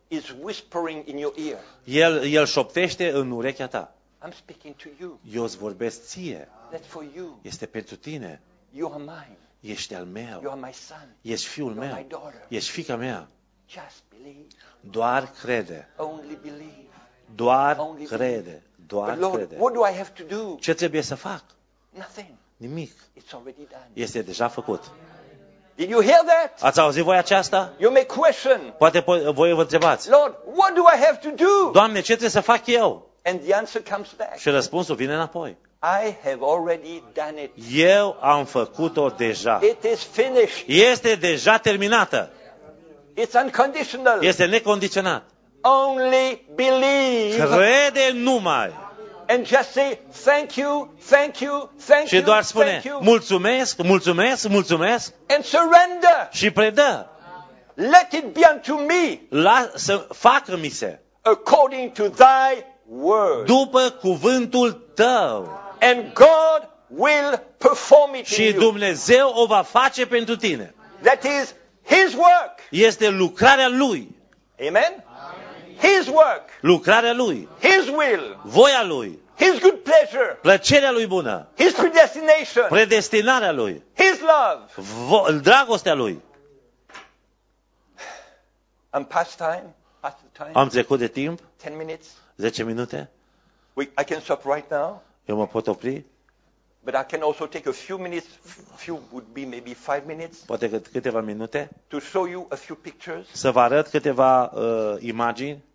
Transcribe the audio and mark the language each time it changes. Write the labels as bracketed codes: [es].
[en] Is whispering in your ear. [ro] El șoptește în urechea ta. [en] I'm speaking to you. [ro] Eu îți vorbesc ție. [en] That's for you. [ro] Este pentru tine. [en] You are mine. [ro] Ești al meu. [en] You are my son. [ro] Ești fiul meu. [en] You're my daughter. [ro] Ești fiica mea. [en] Just believe. [ro] Doar crede. [en] Only believe. [ro] Doar [en] only [ro] crede. Doar [en] Lord, [ro] crede. [en] What do I have to do? [ro] Ce trebuie să fac? [en] Nothing. [ro] Nimic. [en] It's already done. [ro] Este deja făcut. [en] Did you hear that? [ro] Ați auzit voi aceasta? [en] You may question. [ro] Poate voi vă întrebați. [en] Lord, what do I have to do? [ro] Doamne, ce trebuie să fac eu? [en] And the answer comes back. [ro] Și răspunsul vine înapoi. [en] I have already done it. [ro] Eu am făcut-o deja. [en] It is finished. [ro] Este deja terminată. [en] It's unconditional. [ro] Este necondiționat. [en] Only believe. [ro] Crede numai. [en] And just say thank you, thank you, thank you. [ro] Și doar spune mulțumesc, mulțumesc, mulțumesc. [en] And surrender. [ro] Și predă. [en] Let it be unto me. [ro] Lasă, facă-mi se. [en] According to thy word. [ro] După cuvântul tău. [en] And God will perform it. [ro] Și Dumnezeu o va face pentru tine. [en] That is his work. [ro] Este lucrarea lui. [en] Amen. His work. [ro] Lucrarea lui. [en] His will. [ro] Voia lui. [en] His good pleasure. [ro] Plăcerea lui bună. [en] His predestination. [ro] Predestinarea lui. [en] His love. [ro] Dragostea lui. [en] I'm past time. Past the time. [ro] Am trecut de timp. [en] 10 minutes. [ro] 10 minute. [en] I can stop right now. [ro] Eu mă pot opri. [en] But I can also take a few minutes, few would be maybe 5 minutes. [ro] Poate câteva minute. [en] To show you a few pictures. [ro] Să vă arăt câteva imagini.